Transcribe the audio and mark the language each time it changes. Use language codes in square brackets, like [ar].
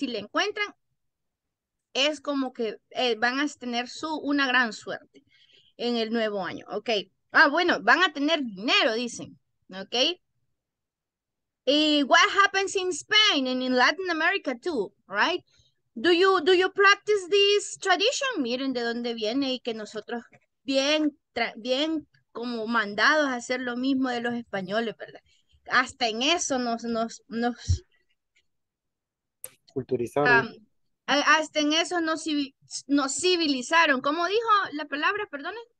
[es] Si le encuentran, es como que van a tener una gran suerte en el nuevo año, ¿ok? Ah, bueno, van a tener dinero, dicen, ¿ok? ¿Y [en] what happens in Spain and in Latin America too, right? Do you practice this tradition? [es] Miren de dónde viene y que nosotros bien como mandados a hacer lo mismo de los españoles, ¿verdad? Hasta en eso nos culturizaron. Hasta en eso nos civilizaron. ¿Cómo dijo la palabra? Perdone.